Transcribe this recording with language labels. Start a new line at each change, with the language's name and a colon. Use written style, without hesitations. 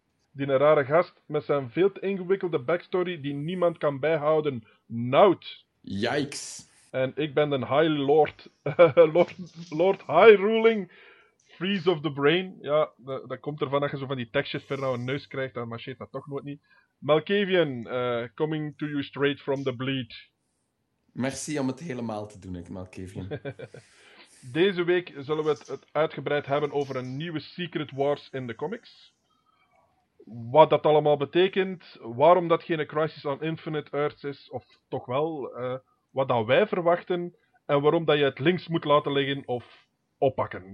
Dutch: Die een rare gast met zijn veel te ingewikkelde backstory die niemand kan bijhouden. Nout.
English: Yikes.
Dutch: En ik ben de High Lord. Lord High Ruling.
English: Freeze of the Brain.
Dutch: Ja, dat komt ervan dat je zo van die tekstjes ver nou een neus krijgt, dan marcheert dat toch nooit niet.
English: Malkavian, coming to you straight from the bleed.
Dutch: Merci om het helemaal te doen, Malkavian. Deze week zullen we het uitgebreid hebben over een nieuwe Secret Wars in de comics. Wat dat allemaal betekent, waarom dat geen Crisis on Infinite Earths is, of toch wel, wat dat wij verwachten, en waarom dat je het links moet laten liggen of oppakken.